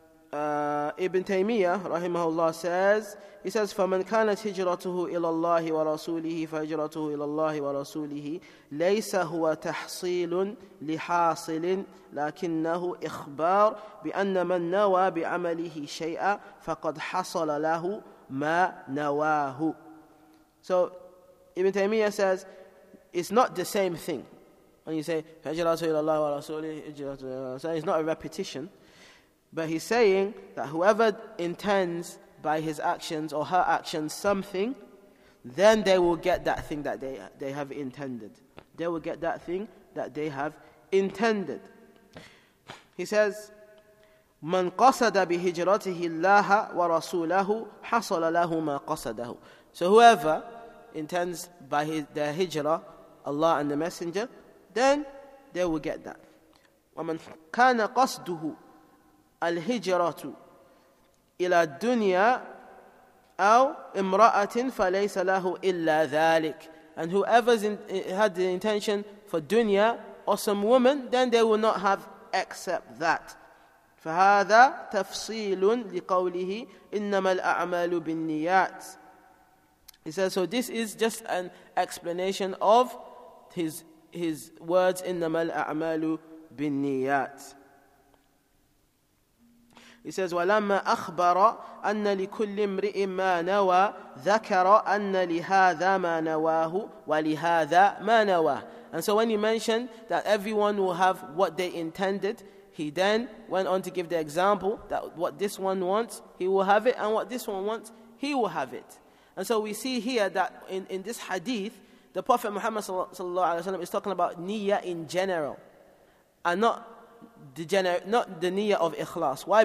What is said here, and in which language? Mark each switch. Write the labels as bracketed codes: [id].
[en] Ibn Taymiyyah rahimahullah says, [ar] فَمَنْ كَانَتْ هِجْرَتُهُ إِلَى اللَّهِ وَرَسُولِهِ فَهِجْرَتُهُ إِلَى اللَّهِ وَرَسُولِهِ لَيْسَ هُوَ تَحْصِيلٌ لِحَاصِلٍ لَكِنَّهُ إِخْبَارٌ بِأَنَّ مَنْ نَوَى بِعَمَلِهِ شَيْئًا فَقَدْ حَصَلَ لَهُ مَا نَوَاهُ. [en] So Ibn Taymiyyah says, it's not the same thing. When you say, [ar] فَهِجْرَتُهُ إِلَى اللَّهِ وَرَسُولِهِ هِجْرَتُهُ إِلَى اللَّهِ, [en] it's not a repetition. But he's saying that whoever intends by his actions or her actions something, then they will get that thing that they have intended. They will get that thing that they have intended. He says, [ar] مَنْ قَصَدَ بِهِجْرَتِهِ اللَّهَ وَرَسُولَهُ حَصَلَ لَهُ مَا قَصَدَهُ. [en] So whoever intends by their hijrah, Allah and the Messenger, then they will get that. [ar] وَمَنْ كَانَ قَصْدُهُ الْهِجْرَةُ إِلَى الدُّنْيَا أَوْ إِمْرَأَةٍ فَلَيْسَ لَهُ إِلَّا ذَلِكَ. [en] And whoever's had the intention for dunya or some woman, then they will not have except that. [ar] فَهَذَا تَفْصِيلٌ لِقَوْلِهِ إِنَّمَا الْأَعْمَالُ بِالنِّيَاتِ. [en] He says, so this is just an explanation of his words, [ar] إِنَّمَا الْأَعْمَالُ بِالنِّيَاتِ. [en] He says, [ar] وَلَمَّا أَخْبَرَ أَنَّ لِكُلِّ امْرِئٍ مَا نَوَى ذَكَرَ أَنَّ لِهَذَا مَا نَوَاهُ وَلِهَذَا مَا نَوَاهُ. [en] And so when he mentioned that everyone will have what they intended, he then went on to give the example that what this one wants, he will have it, and what this one wants, he will have it. And so we see here that in this hadith, the Prophet Muhammad sallallahu alaihi wasallam is talking about niyyah in general, and not the niyyah of ikhlas. Why?